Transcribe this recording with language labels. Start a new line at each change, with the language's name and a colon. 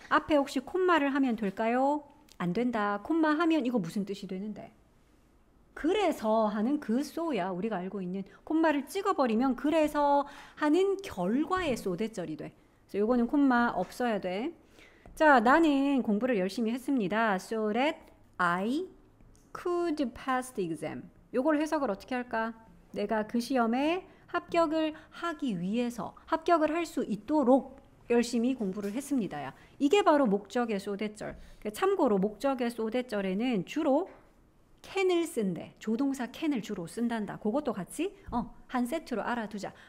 Korean: 앞에 혹시 콤마를 하면 될까요? 안 된다. 콤마 하면 이거 무슨 뜻이 되는데? 그래서 하는 그 so야 우리가 알고 있는 콤마를 찍어버리면 그래서 하는 결과의 so 대절이 돼. 그래서 요거는 콤마 없어야 돼. 자, 나는 공부를 열심히 했습니다.
English: So that I could pass the exam.
Korean: 요걸 해석을 어떻게 할까? 내가 그 시험에 합격을 하기 위해서 합격을 할수 있도록 열심히 공부를 했습니다야. 이게 바로 목적의 so 대절. 참고로 목적의 so 대절에는 주로 can을 쓴대. 조동사 can을 주로 쓴단다. 그것도 같이 한 세트로 알아두자.